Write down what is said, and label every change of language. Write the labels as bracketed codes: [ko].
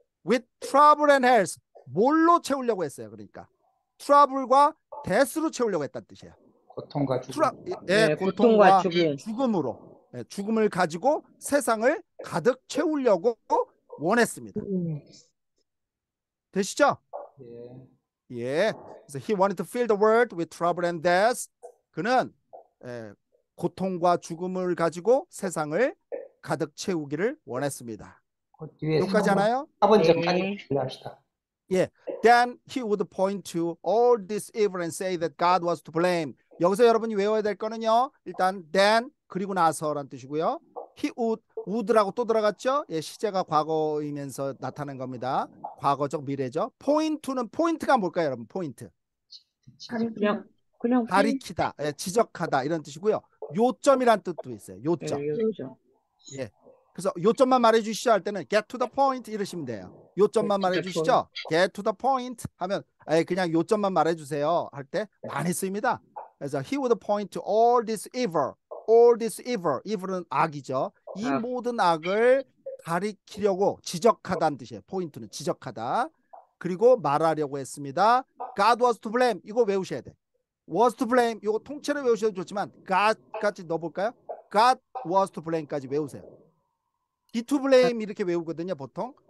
[en] With trouble and health [ko] 뭘로 채우려고 했어요. 그러니까 트러블과 데스로 채우려고 했다는 뜻이에요. 고통과 트러 죽음. 네, 예 고통과 죽음. 죽음으로 예, 죽음을 가지고 세상을 가득 채우려고 원했습니다. 되시죠? 예. 그래서 [en] he wanted to fill the world with trouble and death. [ko] 그는 예, 고통과 죽음을 가지고 세상을 가득 채우기를 원했습니다. 뒤에 여기까지 하나요? 4번 점까지 네. 합시다. 예. [en] Then he would point to all this evil and say that God was to blame. [ko] 여기서 여러분이 외워야 될 거는요. 일단 then 그리고 나서란 뜻이고요. [en] He would [ko] 라고 또 들어갔죠? 예, 시제가 과거이면서 나타난 겁니다. 과거적 미래죠. Point to는 포인트가 뭘까요, 여러분? 포인트. 가리키나 그냥 핀 가리키다, 예, 지적하다 이런 뜻이고요. 요점이란 뜻도 있어요. 요점. 예, 요점. 예. 그래서 요점만 말해 주시죠 할 때는 [en] get to the point [ko] 이러시면 돼요. 요점만 말해 주시죠. [en] get to the point [ko] 하면 예, 그냥 요점만 말해 주세요 할때 많이 씁니다. 그래서 [en] he would point to all this evil. All this evil. Evil은 [ko] 악이죠. 이 모든 악을 가리키려고 지적하다는 뜻이에요. 포인트는 지적하다. 그리고 말하려고 했습니다. [en] God was to blame. [ko] 이거 외우셔야 돼. [en] was to blame. [ko] 이거 통째로 외우셔도 좋지만 God 같이 넣어볼까요? [en] God was to blame [ko] 까지 외우세요. [en] He to blame [ko] 이렇게 외우거든요. 보통.